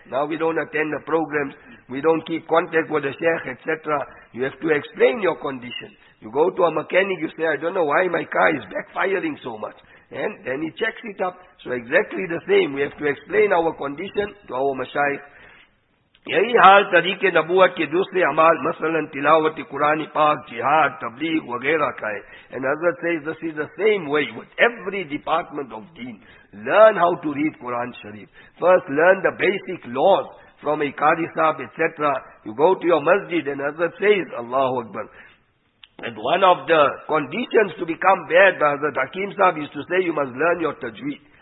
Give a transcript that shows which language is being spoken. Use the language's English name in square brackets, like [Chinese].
[English] Now we don't attend the programs, we don't keep contact with the Sheikh, etc. You have to explain your condition. You go to a mechanic, you say, I don't know why my car is backfiring so much. And then he checks it up. So exactly the same, we have to explain our condition to our mashayikh. [Urdu] یہی حال طریق نبوت کے دوسرے عمال مثلا تلاوت قرآن پاک جہاد تبلیغ وغیرہ کا ہے. [English] And Hazrat says this is the same way with every department of deen. Learn how to read Quran Sharif. First learn the basic laws from a qari sahab etc. You go to your masjid and Hazrat says Allahu Akbar. And one of the conditions to become bad by Hazrat Hakim sahab is to say you must learn your tajweed.